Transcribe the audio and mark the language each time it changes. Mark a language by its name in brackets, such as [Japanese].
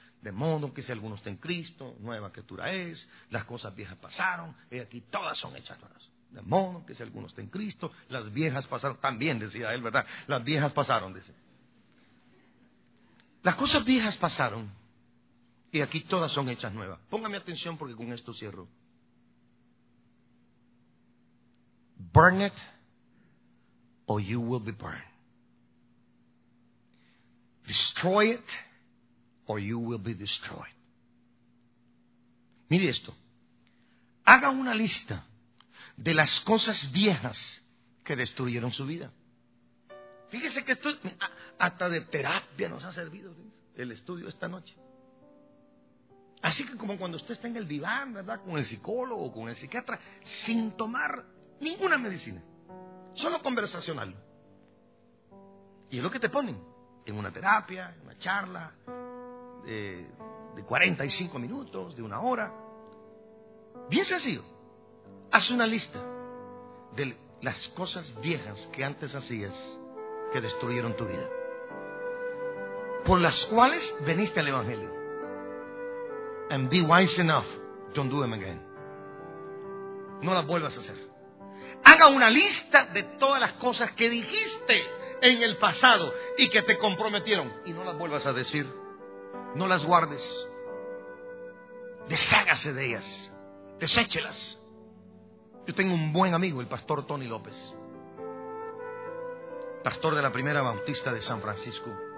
[Spanish] De modo que si alguno está en Cristo, nueva criatura es, las cosas viejas pasaron, y aquí todas son hechas nuevas. De modo que si alguno está en Cristo, las viejas pasaron. También decía él, ¿verdad? Las viejas pasaron, dice. Las cosas viejas pasaron, y aquí todas son hechas nuevas. Póngame atención porque con esto cierro. [English] Burn it, or you will be burned. Destroy it, or you will be destroyed. [Spanish] Mire esto. Haga una lista de las cosas viejas que destruyeron su vida. Fíjese que esto hasta de terapia nos ha servido, ¿sí?, el estudio esta noche. Así que como cuando usted está en el diván, ¿verdad?, con el psicólogo, con el psiquiatra, sin tomar ninguna medicina, solo conversacional. Y es lo que te ponen en una terapia, en una charla de 45 minutos, de una hora. Bien sencillo. Haz una lista de las cosas viejas que antes hacías que destruyeron tu vida, por las cuales veniste al Evangelio. [English] And be wise enough, don't do them again. [Spanish] No las vuelvas a hacer. Haga una lista de todas las cosas que dijiste en el pasado y que te comprometieron, y no las vuelvas a decir. No las guardes. Deshágase de ellas. Deséchelas. Yo tengo un buen amigo, el pastor Tony López, pastor de la Primera Bautista de San Francisco.